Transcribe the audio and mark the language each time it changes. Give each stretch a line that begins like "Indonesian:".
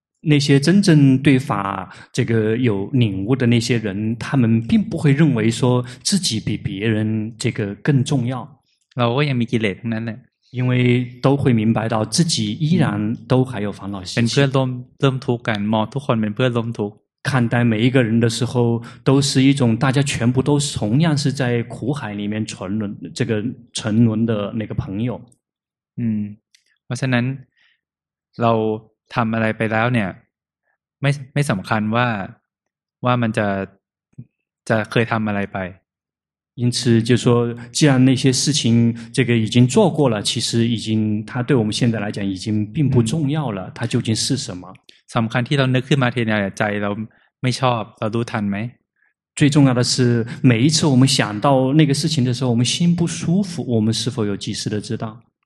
Chinese: 那些真正对法这个有领悟的那些人他们并不会认为说自己比别人这个更重要
Thai: เราก็ยังมีกิเลสทั้งนั้นแหละ
Chinese: 因为都会明白到自己依然都还有烦恼习气
Thai: เป็นเพื่อนร่วมทุกข์กันมองทุกคนเป็นเพื่อนร่วมทุกข์
Chinese: 看待每一个人的时候都是一种大家全部都同样是在苦海里面沉沦这个沉沦的那个朋友。
Thai: 嗯เพราะฉะนั้นเราทำอะไรไปแล้วเนี่ยไม่สำคัญว่ามันจะเคยทำอะไรไป
Chinese: 因此就是说既然那些事情这个已经做过了其实已经它对我们现在来讲已经并不重要了它究竟是什么
Thai: สำคัญที่เรานึกขึ้นมาทีเนี่ยใจเราไม่ชอบเรารู้ทันไหม
Chinese: 最重要的是每一次我们想到那个事情的时候我们心不舒服我们是否有及时的知道